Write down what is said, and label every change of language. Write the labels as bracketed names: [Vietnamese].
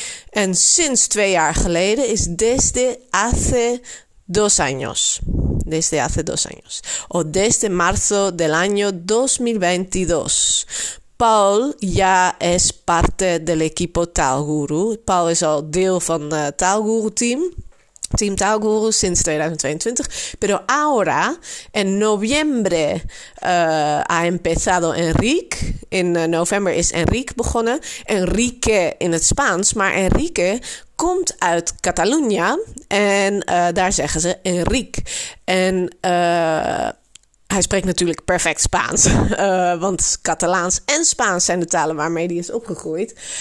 [Dutch] En sinds twee jaar geleden is [Spanish] desde hace dos años. Desde hace dos años. O desde marzo del año 2022. Paul ya es parte del equipo Taalguru. [Dutch] Paul is al deel van het Taalguru team. Team Taalguru sinds 2022. [Spanish] Pero ahora, en noviembre, ha empezado Enrique. [Dutch] In november is Enrique begonnen. Enrique in het Spaans. Maar Enrique komt uit Catalunya. En daar zeggen ze Enrique. En hij spreekt natuurlijk perfect Spaans. Want Catalaans en Spaans zijn de talen waarmee hij is opgegroeid.